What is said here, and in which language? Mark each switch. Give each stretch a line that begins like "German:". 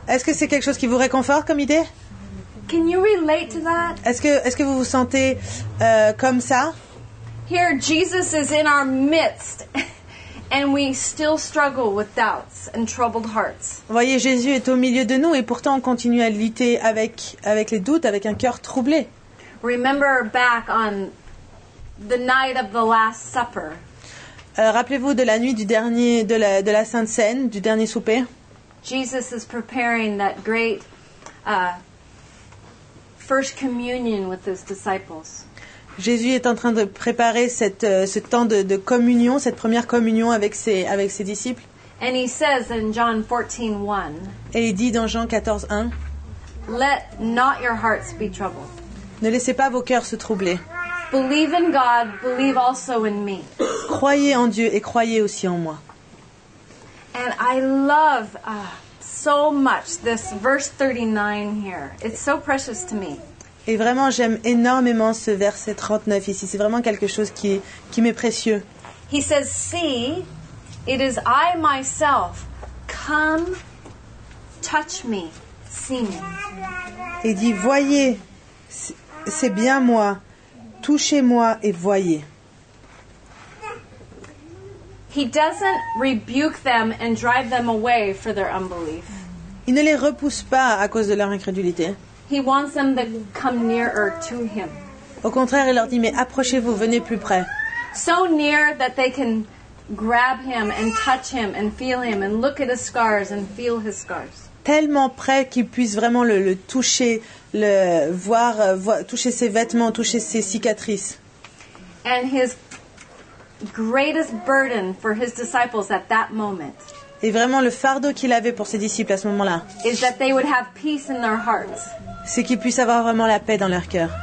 French: Est-ce que c'est quelque chose qui vous réconforte comme idée?
English: Can you relate to that?
French: Est-ce que vous vous sentez comme ça?
English: Here Jesus is in our midst. And we still struggle with doubts and troubled hearts.
French: Vous voyez, Jésus est au milieu de nous et pourtant on continue à lutter avec les doutes, avec un cœur troublé.
English: Remember back on the night of the Last Supper.
French: Rappelez-vous de la nuit de la Sainte Cène, du dernier souper.
English: Jesus is preparing that great first communion with his disciples.
French: Jésus est en train de préparer ce temps de communion, cette première communion avec ses disciples.
English: And he says in John 14, 1,
French: et il dit dans Jean 14, 1,
English: Let not your hearts be troubled.
French: Ne laissez pas vos cœurs se troubler.
English: Believe in God, believe also in me.
French: Croyez en Dieu et croyez aussi en moi.
English: And I love so much this verse 39 here. It's so precious to me.
French: Et vraiment, j'aime énormément ce verset 39 ici. C'est vraiment quelque chose qui m'est précieux.
English: He says, "See, it is I myself. Come, touch me, see me."
French: Et dit, voyez, c'est bien moi. Touchez-moi et voyez.
English: He doesn't rebuke them and drive them away for their unbelief.
French: Il ne les repousse pas à cause de leur incrédulité.
English: He wants them to come nearer to him.
French: Au contraire, il leur dit, mais approchez-vous, venez plus près.
English: So near that they can grab him and touch him and feel him and look at his scars and feel his scars.
French: Tellement près qu'ils puissent vraiment le toucher, le voir, toucher ses vêtements, toucher ses cicatrices.
English: And his greatest burden for his disciples at that moment.
French: Et vraiment le fardeau qu'il avait pour ses disciples à ce moment-là.
English: Is that they would have peace in their hearts.
French: C'est qu'ils puissent avoir vraiment la paix dans leur cœur.